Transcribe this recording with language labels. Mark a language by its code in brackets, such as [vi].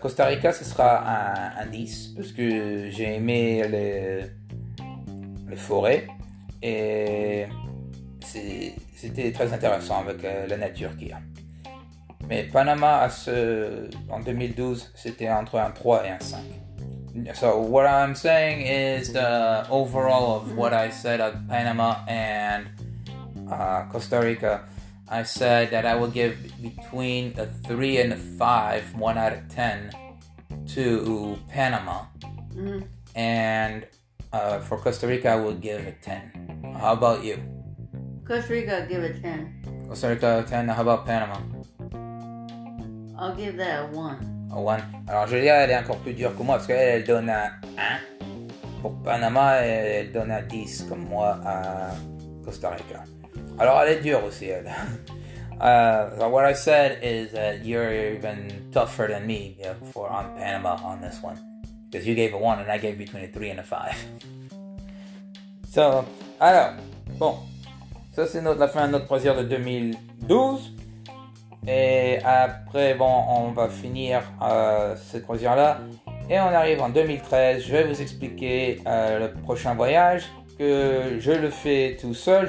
[fr] Costa Rica, ce sera un 10, parce que j'ai aimé les forêts. Et c'était très intéressant avec la nature qu'il y a. Mais Panama, en 2012, c'était entre un 3 et un 5. [en] So what I'm saying is the overall of what I said of Panama and Costa Rica. I said that I would give between a 3 and a 5, 1 out of 10, to Panama. Mm-hmm. And for Costa Rica, I would give a 10. How about you? Costa Rica, give it 10. Costa Rica, 10. How about Panama? I'll give that a 1. A 1. [fr] Alors, Julia, elle est encore plus dure que moi parce qu'elle donne un 1 pour Panama et elle donne un 10 comme moi à Costa Rica. Alors, elle est dure aussi, elle. [en] So what I said is that you're even tougher than me on Panama on this one. Because you gave a 1 and I gave between a 3 and a 5. [fr] So, alors, bon. Ça, c'est la fin de notre croisière de 2012. Et après, bon, on va finir cette croisière-là. Et on arrive en 2013. Je vais vous expliquer le prochain voyage que je le fais tout seul.